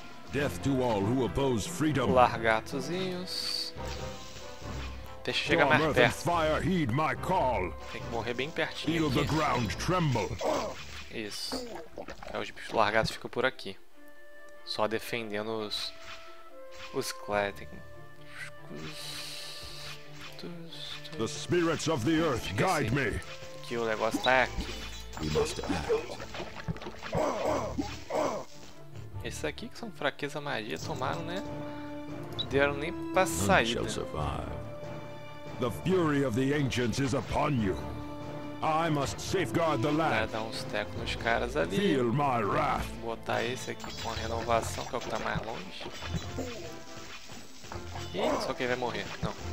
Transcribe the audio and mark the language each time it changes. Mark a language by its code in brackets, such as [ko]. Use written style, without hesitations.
[en] Death to all who oppose freedom. [pt] Largatozinhos. Deixa chegar mais perto. [en] Fire, heed my call. [pt] Tem que morrer bem pertinho. [en] Feel the ground tremble. [pt] Isso. É, os bichos largatos ficam por aqui. Só defendendo os Cléten. [en] The spirits of the earth guide me. [pt] Que o negócio tá aqui. Esses aqui que são fraqueza magia tomaram, né? Deram nem pra sair. Não sobreviverá. [en] The fury of the ancients is upon you. I must safeguard the land. [pt] Dar uns tecos nos caras ali. [en] Feel my wrath. [pt] Botar esse aqui com a renovação, que é o que tá mais longe. Ih, só quem vai morrer. Não.